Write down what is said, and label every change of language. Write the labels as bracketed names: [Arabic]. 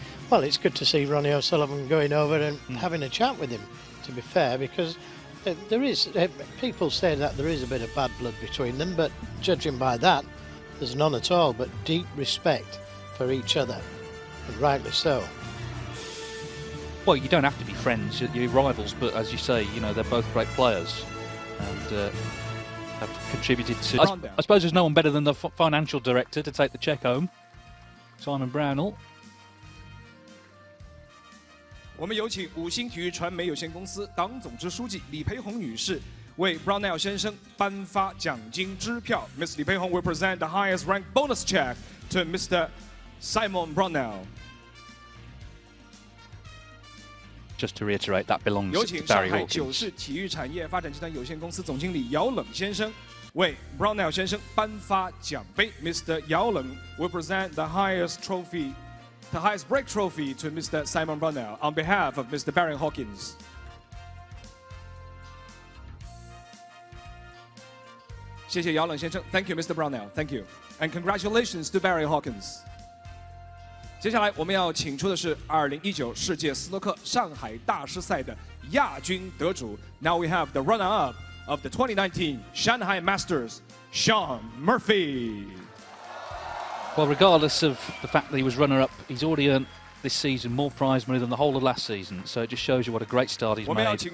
[English] Well, it's good to see Ronnie O'Sullivan going over and having a chat with him, to be fair, because there is, people say that there is a bit of bad blood between them, but judging by that, there's none at all, but deep respect for each other, and rightly so. Well, you don't have to be friends, you're rivals, but as you say, you know, they're both great players. And have contributed to. I suppose there's no one better than the financial director to take the check home, Simon Brownell. [Chinese] 我们有请五星体育传媒有限公司党总支书记李培红女士为 Brownell 先生颁发奖金支票. [English] Miss Li Peihong will present the highest rank bonus check to Mr. Simon Brownell. Just to reiterate, that belongs to Barry [Chinese] 有请上海九世体育产业发展集团有限公司总经理姚冷先生. Wait, Brownell 先生颁发奖杯.Mr. [English] Yao Leng will present the highest trophy, the highest break trophy to Mr. Simon Brownell on behalf of Mr. Baron Hawkins. Thank you, Mr. Brownell. Thank you. And congratulations to Barry Hawkins. [Chinese] 接下来我们要请出的是2019世界斯诺克上海大师赛的亚军得主. [English] Now we have the runner-up of the 2019 Shanghai Masters, Shaun Murphy. Well, regardless of the fact that he was runner-up, he's already earned this season more prize money than the whole of last season, so it just shows you what a great start he's made.